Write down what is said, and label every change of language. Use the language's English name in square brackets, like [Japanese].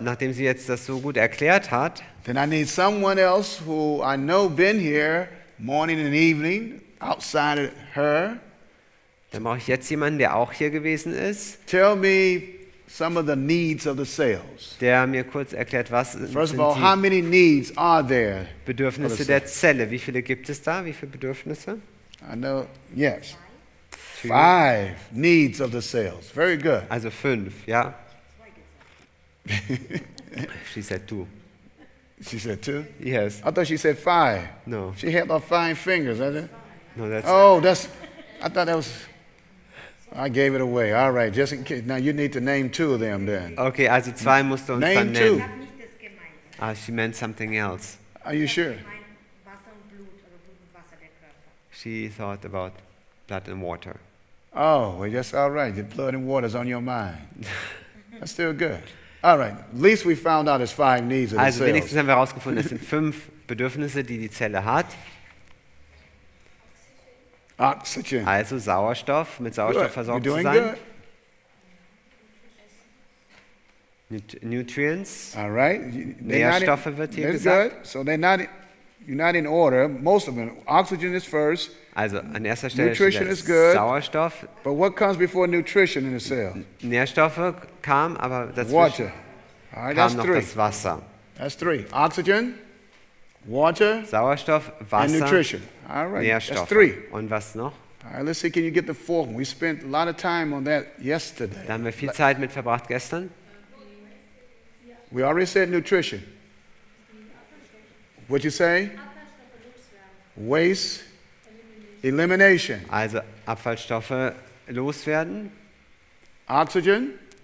[German] nachdem sie jetzt das so gut erklärt hat, [English] then I need someone else who I know been here morning and evening outside of her. [German] Dann brauche ich jetzt jemanden, der auch hier gewesen ist. [English] Tell me some of the needs of the cells. [German] Der mir kurz erklärt, was sind die. [English] First of all, how many needs are there? [German] Bedürfnisse der Zelle. Wie viele gibt es da? Wie viele Bedürfnisse? [English] I know. Yes. 5 needs of the cells. Very good. [German] Also 5, ja. [English] She said 2. She said 2? Yes. I thought she said 5. No. She had her 5 fingers, isn't it? No, that's. Oh, that's. I thought that was. I gave it away. All right, just in case. Now you need to name 2 of them then. [German] Okay, also 2 musst du uns [English] name [German] dann nennen. [English] Name 2. She meant something else. Are you sure? She thought about blood and water. Oh, well, that's all right. The blood and water is on your mind. That's still good. All right. At least we found out it's 5 needs of the cells. [German] Also wenigstens haben wir herausgefunden, es sind 5 Bedürfnisse, die die Zelle hat. [English] Oxygen. [German] Also Sauerstoff, mit Sauerstoff versorgt zu sein. [English] You're doing good. Nutrients. All right. [German] Nährstoffe wird hier gesagt. [English] Good. So they're not. You're not in order. Most of them. Oxygen is first. [German] Also an erster Stelle [English] nutrition [German] ist der Sauerstoff. [English] But what comes before nutrition in the cell? [German] Nährstoffe kam, aber dazwischen [English] water. All right, [German] kam noch 3. Das Wasser. [English] That's 3. Oxygen, water, [German] Sauerstoff, Wasser, [English] and nutrition. All right. [German] Nährstoffe. [English] That's 3. [German] Und was noch? [English] All right, let's see, can you get the fourth one? We spent a lot of time on that yesterday. [German] Da haben wir viel Zeit mit verbracht gestern. [English] We already said nutrition. What'd you say? Waste elimination. [German] Also Abfallstoffe loswerden. [English] Oxygen.